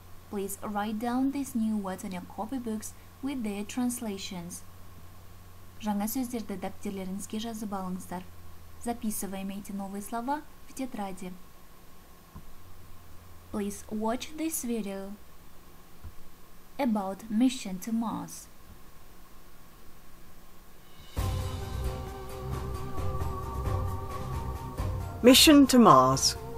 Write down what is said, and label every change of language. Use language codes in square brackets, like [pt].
[en] Please write down these new words on your copybooks with their translations. [kk] Жаңа сөздерді дәптерлеріңізге жазып алыңыздар. [ru] Записываем эти новые слова в тетради. [en] Please watch this video about mission to Mars. Mission to Mars.